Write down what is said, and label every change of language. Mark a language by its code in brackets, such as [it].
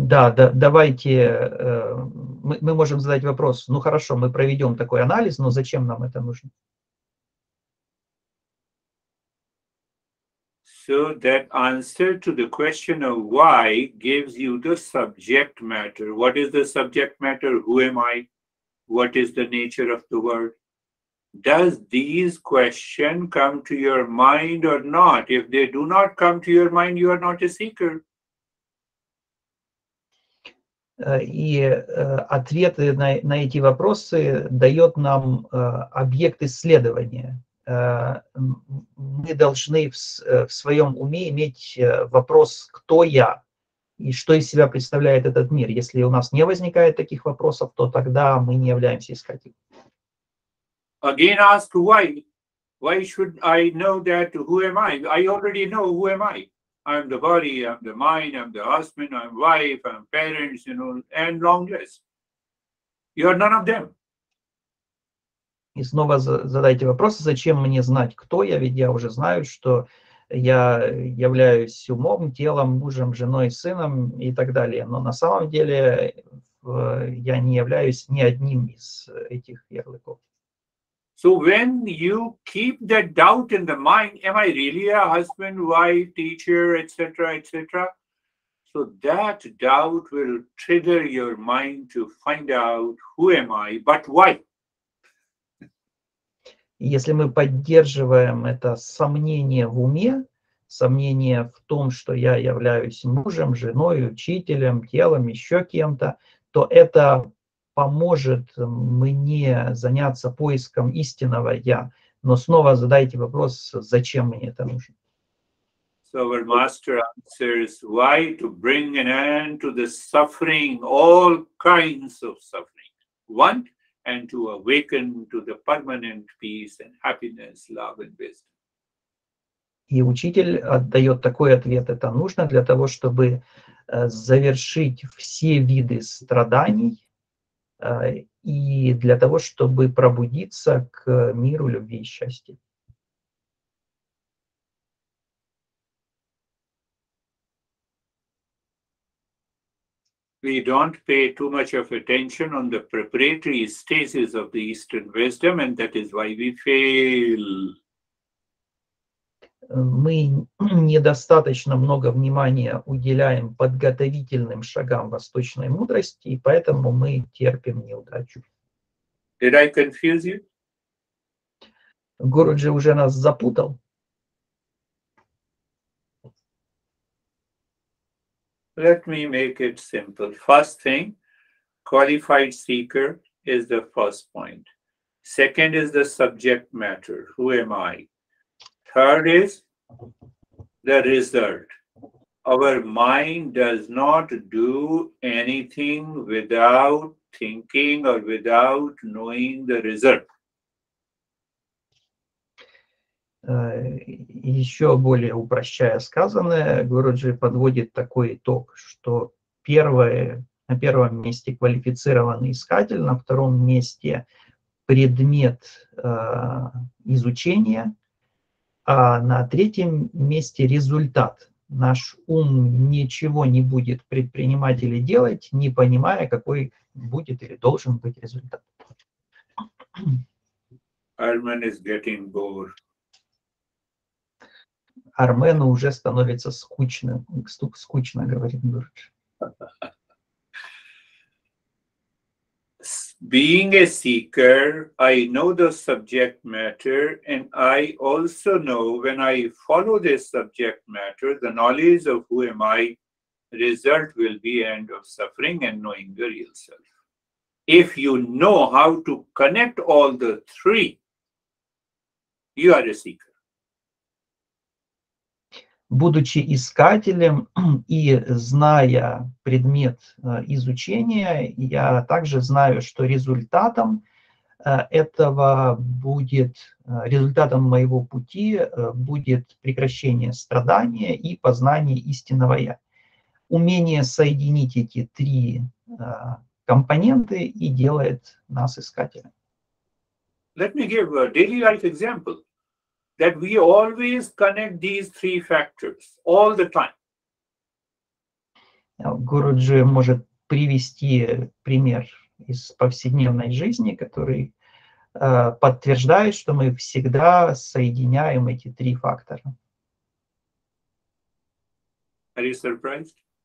[ru] Давайте мы можем задать вопрос, ну хорошо, мы проведем такой анализ, но зачем нам это нужно? [en] So that answer to the question of why gives you the subject matter. What is the subject matter? Who am I? What is the nature of the world? Does these questions come to your mind or not? If they do not come to your mind, you are not a seeker. [ru] И ответы на эти вопросы дает нам объект исследования. Мы должны в своем уме иметь вопрос, кто я и что из себя представляет этот мир. Если у нас не возникает таких вопросов, то тогда мы не являемся искателем. [en] Again ask why? Why should I know that who am I? I already know who am I. I'm the body, I'm the mind, I'm the husband, I'm wife, I'm parents, you know, and long list. You're none of them. [ru] И снова задайте вопрос, зачем мне знать, кто я, ведь я уже знаю, что я являюсь умом, телом, мужем, женой, сыном и так далее. Но на самом деле я не являюсь ни одним из этих ярлыков. [en] So when you keep that doubt in the mind, am I really a husband, wife, teacher, etc., etc.? So that doubt will trigger your mind to find out who am I, but why? [ru] Если мы поддерживаем это сомнение в уме, сомнение в том, что я являюсь мужем, женой, учителем, телом, еще кем-то, то это поможет мне заняться поиском истинного я. Но снова задайте вопрос, зачем мне это нужно? [en] So our master answers, why to bring an end to the suffering, all kinds of suffering. One, and to awaken to the permanent peace and happiness, love and wisdom. [ru] И учитель отдает такой ответ, это нужно для того, чтобы завершить все виды страданий, и для того, чтобы пробудиться к миру любви и счастья. [en] We don't pay too much of attention on the preparatory stages of the Eastern wisdom, and that is why we fail. [ru] Мы недостаточно много внимания уделяем подготовительным шагам восточной мудрости, и поэтому мы терпим неудачу. [en] Did I confuse you? [ru] Гуруджи уже нас запутал. [en] Let me make it simple. First thing, qualified seeker is the first point. Second is the subject matter. Who am I? Third is the result. Our mind does not do anything without thinking or without knowing the result. [ru] Еще более упрощая сказанное, Гуруджи подводит такой итог, что первое, на первом месте квалифицированный искатель, на втором месте предмет изучения, а на третьем месте результат. Наш ум ничего не будет предпринимать или делать, не понимая, какой будет или должен быть результат. [en] Armen is getting bored. [ru] Армену уже становится скучно, скучно, говорит Гурдж. [en] Being a seeker, I know the subject matter, and I also know when I follow this subject matter, the knowledge of who am I, result will be end of suffering and knowing the real self. If you know how to connect all the three, you are a seeker. [ru] Будучи искателем и зная предмет изучения, я также знаю, что результатом этого будет, результатом моего пути будет прекращение страдания и познание истинного я. Умение соединить эти три компоненты и делает нас искателем. [en] Let me give a daily life example. That we always connect these three factors all the time. [ru] Гуруджи может привести пример из повседневной жизни, который подтверждает, что мы всегда соединяем эти три фактора. [en] Are you surprised?